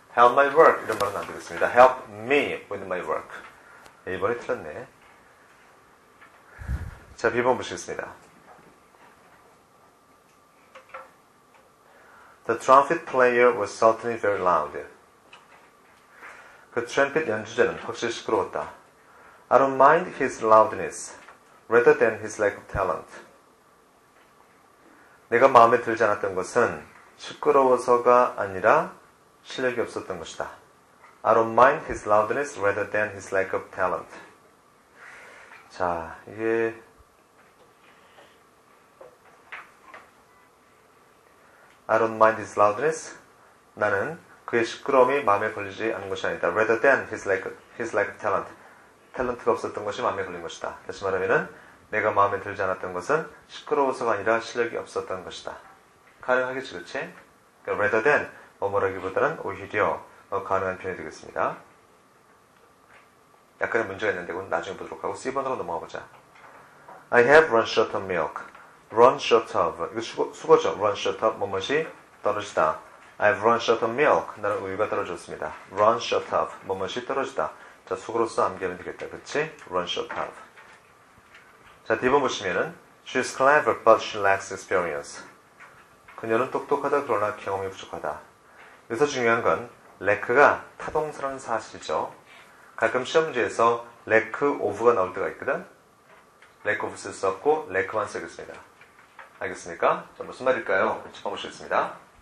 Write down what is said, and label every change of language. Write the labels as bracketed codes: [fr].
[en] Help my work [ko] 이런 말은 안 되겠습니다. [en] Help me with my work. [ko] 이번에 틀렸네. 자, B번 보시겠습니다. [en] The trumpet player was certainly very loud. [ko] 그 트럼펫 연주자는 확실히 시끄러웠다. [en] I don't mind his loudness rather than his lack of talent. [ko] 내가 마음에 들지 않았던 것은 시끄러워서가 아니라 실력이 없었던 것이다. [en] I don't mind his loudness rather than his lack of talent. [ko] 자, 이게 [en] I don't mind his loudness. [ko] 나는 그의 시끄러움이 마음에 걸리지 않은 것이 아니다. [en] Rather than his lack of talent. [ko] 탤런트가 없었던 것이 마음에 걸린 것이다. 다시 말하면 내가 마음에 들지 않았던 것은 시끄러워서가 아니라 실력이 없었던 것이다. 가능하겠지, 그치? 그러니까 rather than 뭐뭐라기보다는 오히려 가능한 편이 되겠습니다. 약간의 문제가 있는데 그건 나중에 보도록 하고 C번으로 넘어가보자. [en] I have run short of milk. Run short of. [ko] 이거 수거죠. [en] Run short of. [ko] 뭐뭐시? 떨어지다. [en] I've run short of milk. [ko] 나는 우유가 떨어졌습니다. [en] Run short of. [ko] 뭐뭐시? 떨어지다. 자, 수거로써 암기하면 되겠다. 그치? [en] Run short of. [ko] 자, 뒤번 보시면은 [en] She's clever, but she lacks experience. [ko] 그녀는 똑똑하다. 그러나 경험이 부족하다. 여기서 중요한 건 lack가 타동사라는 사실이죠. 가끔 시험 문제에서 lack of가 나올 때가 있거든? lack of 쓸 수 없고 lack만 쓰겠습니다. 알겠습니까? 자, 무슨 말일까요? 짚어보시겠습니다.